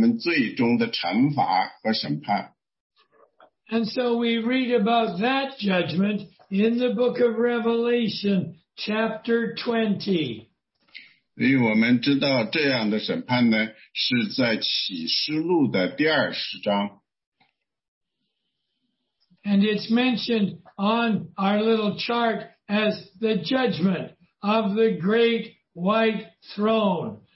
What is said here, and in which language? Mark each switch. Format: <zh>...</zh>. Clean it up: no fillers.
<zh>实际上呢，在地狱里呢，它是同样是有审判的。这个天堂的审判是一样，天堂审判和地狱的审判是不一样的。天堂的审判呢，我们也称之为领奖台，它是主要是通过这个来判断你要得多大的奖赏，你的奖赏有多大。但是在地狱里却是不一样的，地狱里的审判呢，就是给那些不愿意离开宽路的人，给他们最终的惩罚和审判。</zh> <en>And so we read about that judgment in the book of Revelation, chapter 20.</en> <zh>所以我们知道这样的审判呢，是在启示录的第二十章。</zh> <en>And it's mentioned on our little chart as the judgment of the great white throne.</en>